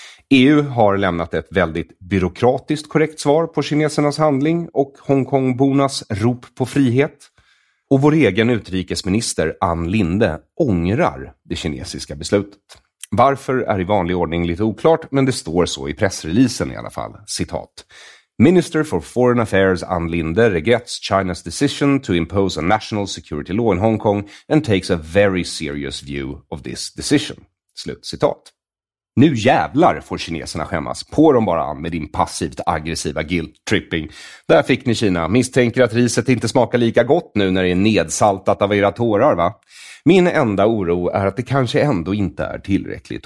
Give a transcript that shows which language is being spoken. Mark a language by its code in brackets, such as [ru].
[sv] EU har lämnat ett väldigt byråkratiskt korrekt svar på kinesernas handling och Hongkongbornas rop på frihet. Och vår egen utrikesminister Ann Linde ångrar det kinesiska beslutet. Varför är i vanlig ordning lite oklart, men det står så i pressreleasen i alla fall. Citat. [en] Minister for Foreign Affairs Ann Linde regrets China's decision to impose a national security law in Hong Kong and takes a very serious view of this decision. [sv] Slut citat. Nu jävlar får kineserna skämmas. På dem bara, an med din passivt aggressiva guilt-tripping. Där fick ni Kina. Misstänker att riset inte smakar lika gott nu när det är nedsaltat av era tårar, va? Min enda oro är att det kanske ändå inte är tillräckligt.